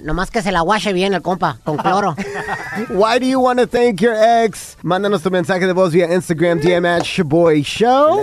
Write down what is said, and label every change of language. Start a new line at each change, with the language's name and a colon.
Spanish: Nomás que se la washe bien el compa, con cloro.
English: Why do you want to thank your ex?
Spanish: Mándanos tu mensaje de voz via Instagram, DM at Shaboy Show.